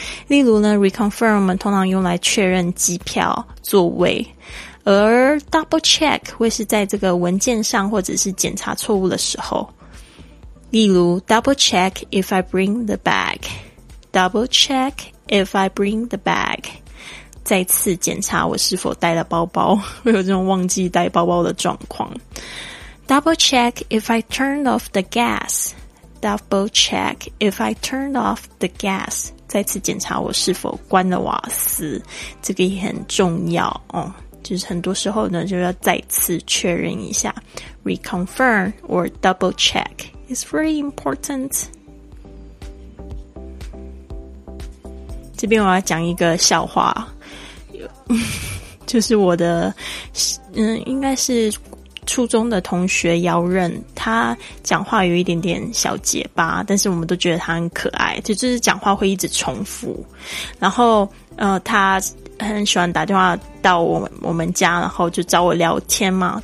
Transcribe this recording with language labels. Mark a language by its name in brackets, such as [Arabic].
[Chinese] 例如呢， reconfirm 我们通常用来确认机票座位，而 double check 会是在这个文件上或者是检查错误的时候。例如 [English] double check if I bring the bag, [Chinese] double check if I bring the bag, 再次检查我是否带了包包，会有这种忘记带包包的状况。 [English] double check if I turn off the gas, [Chinese] double check if I turn off the gas, 再次检查我是否关了瓦斯，这个也很重要哦。就是很多时候呢，就要再次确认一下 ， [English] reconfirm or double check is very important。 [Chinese] 这边我要讲一个笑话，就是我的，应该是初中的同学姚任，他讲话有一点点小结巴，但是我们都觉得他很可爱，就是讲话会一直重复，然后他很喜欢打电话到我们家，然后就找我聊天嘛。